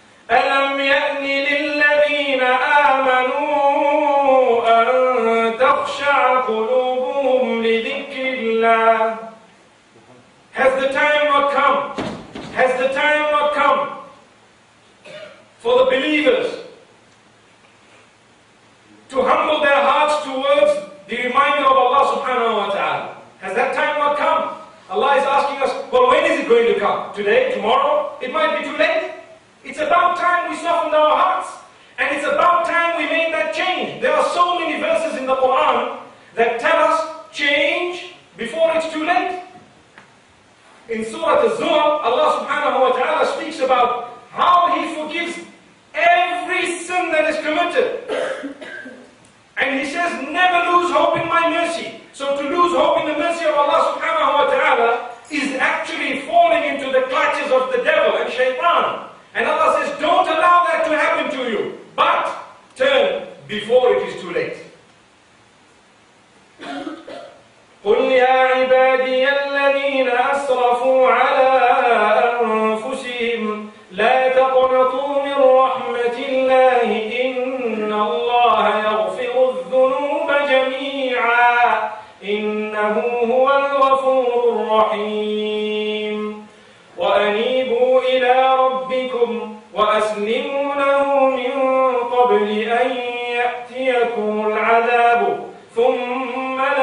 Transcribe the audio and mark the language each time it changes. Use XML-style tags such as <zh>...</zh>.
<ar>أَلَمْ يَأْنِ لِلَّذِينَ آمَنُوا أَنْ تَخْشَعَ قُلُوبُهُمْ لِذِكْرِ اللَّهِ.</ar> <en>Has the time not come? Has the time not come for the believers to humble their hearts towards the reminder of Allah subhanahu wa ta'ala? Has that time not come? Allah is asking us, well, when is it going to come? Today? Tomorrow? It might be too late. It's about time we softened our hearts. And it's about time we made that change? There are so many verses in the Quran that tell us change before it's too late. In Surah Az-Zumar, Allah subhanahu wa ta'ala speaks about how He forgives every sin that is committed. And He says, never lose hope in my mercy. So to lose hope in the mercy of Allah subhanahu wa ta'ala is actually falling into the clutches of the devil and shaitan. And Allah says, don't allow that to happen to you, but turn before it is too late.</en> <ar>قل يا عبادي الذين أسرفوا على أنفسهم لا تقنطوا من رحمة الله إن الله يغفر الذنوب جميعا إنه هو الغفور الرحيم وأنيبوا إلى ربكم وأسلموا له من قبل أن يأتيكم العذاب ثم</ar>